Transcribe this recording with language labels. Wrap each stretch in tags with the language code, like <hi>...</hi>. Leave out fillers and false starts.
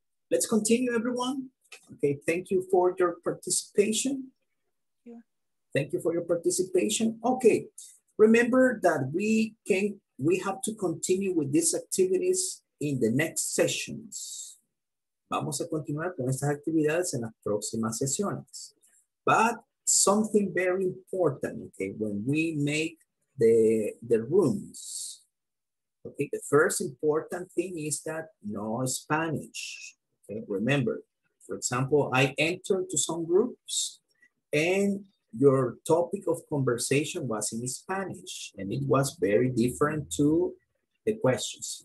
<en>Let's continue, everyone. Okay, thank you for your participation. Yeah. Thank you for your participation. Okay, remember that we have to continue with these activities in the next sessions.</en> <es>Vamos a continuar con estas actividades en las próximas sesiones.</es> <en>But something very important, okay, when we make the rooms, okay, the first important thing is that no Spanish. Okay, remember, for example, I enter to some groups and your topic of conversation was in Spanish and it was very different to the questions.</en>